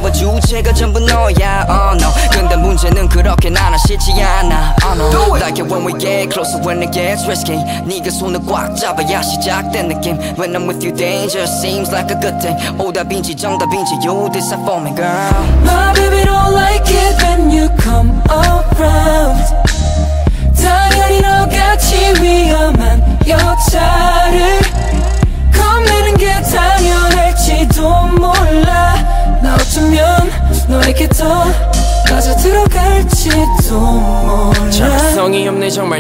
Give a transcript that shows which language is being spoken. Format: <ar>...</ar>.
<ko>존재와 주체가 전부 너야.</ko> <en>Oh no.</en> <ko>근데 문제는 그렇게 나는 싫지 않아.</ko> <en>Oh no. Do it. Like it when we get closer, when it gets risky.</en> <ko>네가 손을 꽉 잡아야 시작된 느낌.</ko> <en>When I'm with you, danger seems like a good thing.</en> <ko>오답인지 정답인지,</ko> <en>you decide for me, girl. My baby don't like it when you come around.</en> <ko>당연히 너같이 위험한 여자를 겁내는 게 당연할지도 몰라. 나 어쩌면 너에게 더 빠져 들어갈지도 몰라. 작성이 없네 정말.</ko>